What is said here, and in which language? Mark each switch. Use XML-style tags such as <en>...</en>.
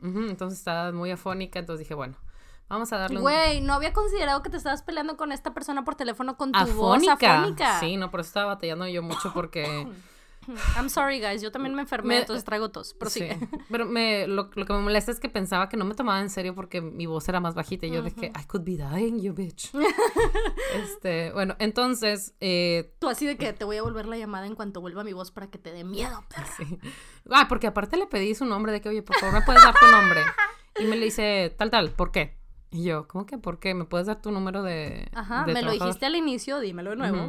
<es>Entonces estaba muy afónica, entonces dije, bueno, Vamos a darle Güey, no había considerado que te estabas peleando con esta persona por teléfono con tu afónica. Voz afónica. Sí, no, pero estaba batallando yo mucho porque...</es> <en>I'm sorry, guys.</en> <es>Yo también me enfermé, entonces traigo tos. Prosigue. Sí. Pero lo que me molesta es que pensaba que no me tomaba en serio porque mi voz era más bajita. Y yo dije,</es> <en>I could be dying, you bitch.</en> <es>Bueno, entonces... Tú así de que te voy a volver la llamada en cuanto vuelva mi voz para que te dé miedo, perra. Sí. Ah, porque aparte le pedí su nombre de que, oye, por favor, ¿me puedes dar tu nombre? Y me le dice, tal, tal, ¿por qué? Y yo, ¿cómo que por qué? ¿Me puedes dar tu número de trabajador? Ajá, me lo dijiste al inicio, dímelo de nuevo.</es>